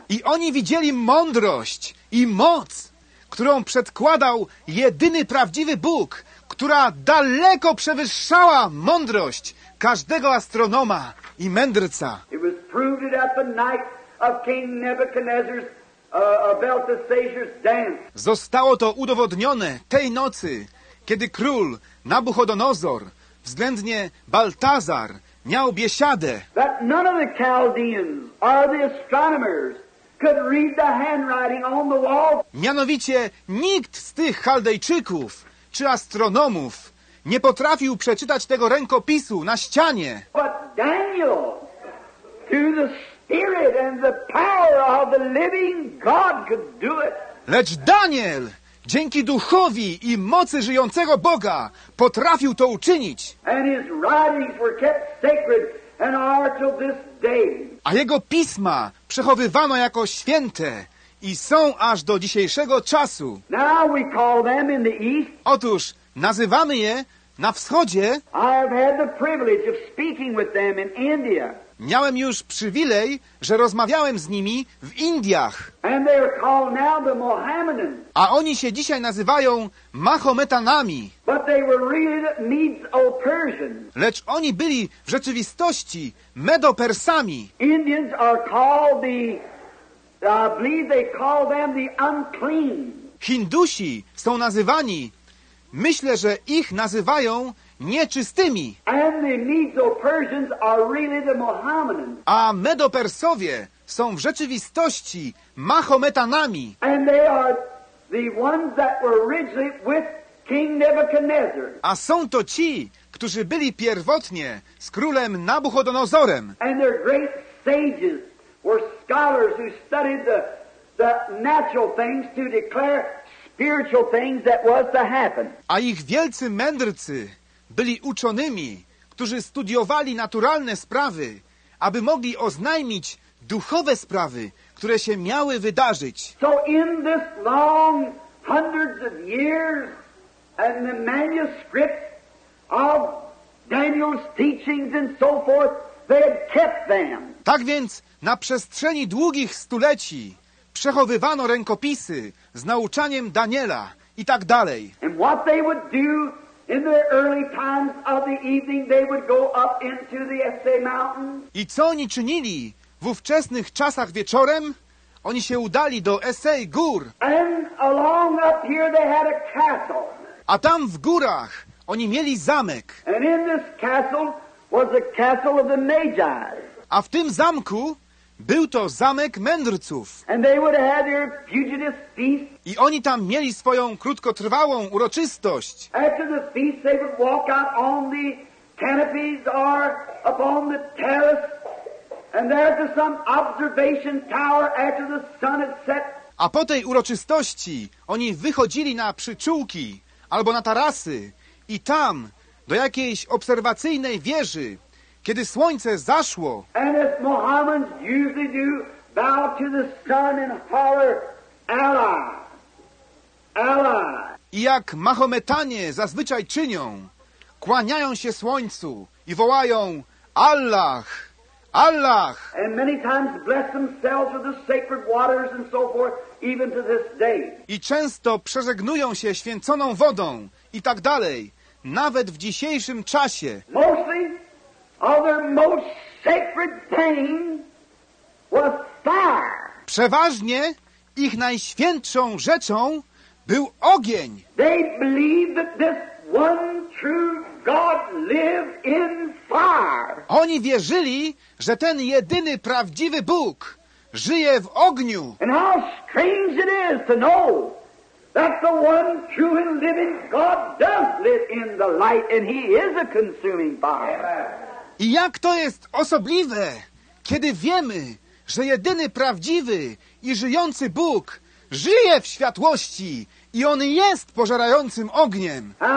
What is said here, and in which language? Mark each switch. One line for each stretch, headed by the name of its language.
Polish: I oni widzieli mądrość i moc, którą przedkładał jedyny prawdziwy Bóg, która daleko przewyższała mądrość każdego astronoma i mędrca.
English: It was proved at the night of King Nebuchadnezzar's Belteshazzar's dance.
Polish: Zostało to udowodnione tej nocy, kiedy król Nabuchodonozor, względnie Baltazar, miał biesiadę.
English: That none of the Chaldeans or the astronomers could read the handwriting on the wall.
Polish: Mianowicie nikt z tych Chaldejczyków czy astronomów nie potrafił przeczytać tego rękopisu na ścianie.
English: But Daniel, through the spirit and the power of the living God, could do it.
Polish: Lecz Daniel, dzięki duchowi i mocy żyjącego Boga, potrafił to uczynić.
English: And his writings were kept sacred and are till this day.
Polish: A jego pisma przechowywano jako święte i są aż do dzisiejszego czasu.
English: Now we call them in the east.
Polish: Otóż nazywamy je na wschodzie.
English: I have had the privilege of speaking with them in India.
Polish: Miałem już przywilej, że rozmawiałem z nimi w Indiach.
English: And they are called now the Mohammedans.
Polish: A oni się dzisiaj nazywają Mahometanami.
English: But they were really Medo-Persians.
Polish: Lecz oni byli w rzeczywistości Medo-Persami.
English: Indians are called the, I believe they call them the unclean.
Polish: Hindusi są nazywani, myślę, że ich nazywają nieczystymi.
English: And the Medo-Persians are really the Mohammedans.
Polish: A Medo-Persowie są w rzeczywistości Mahometanami.
English: And they are the ones that were originally with King Nebuchadnezzar.
Polish: A są to ci, którzy byli pierwotnie z królem Nabuchodonozorem.
English: And their great sages were scholars who studied the natural things to declare spiritual things that was to happen.
Polish: A ich wielcy mędrcy byli uczonymi, którzy studiowali naturalne sprawy, aby mogli oznajmić duchowe sprawy, które się miały wydarzyć.
English: So in this long hundreds of years and the manuscript of Daniel's teachings and so forth, they had kept them.
Polish: Tak więc na przestrzeni długich stuleci przechowywano rękopisy z nauczaniem Daniela i tak dalej.
English: And what they would do in the early times of the evening, they would go up into the Essay Mountain.
Polish: I co oni czynili w ówczesnych czasach wieczorem? Oni się udali do Essay Gór.
English: And along up here they had a castle.
Polish: A tam w górach oni mieli zamek.
English: And in this castle was the castle of the Magi.
Polish: A w tym zamku był to zamek mędrców.
English: And they would have their fugitive feast.
Polish: I oni tam mieli swoją krótkotrwałą uroczystość.
English: After the feast, they would walk out on the canopies or upon the terrace, and there to some observation tower after the sun had set.
Polish: A po tej uroczystości oni wychodzili na przyczółki albo na tarasy i tam, do jakiejś obserwacyjnej wieży, kiedy słońce zaszło.
English: And as Mohammedans usually do, bow to the sun and holler, Allah, Allah.
Polish: I jak Mahometanie zazwyczaj czynią, kłaniają się słońcu i wołają Allah, Allah.
English: And many times bless themselves with the sacred waters and so forth, even to this day.
Polish: I często przeżegnują się święconą wodą i tak dalej, nawet w dzisiejszym czasie.
English: Mostly of their most sacred thing was fire.
Polish: Przeważnie ich najświętszą rzeczą był ogień.
English: They believed that this one true God lived in fire.
Polish: Oni wierzyli, że ten jedyny prawdziwy Bóg żyje w ogniu.
English: And how strange it is to know that the one true and living God does live in the light, and he is a consuming fire.
Polish: I jak to jest osobliwe, kiedy wiemy, że jedyny prawdziwy i żyjący Bóg żyje w światłości i on jest pożerającym ogniem.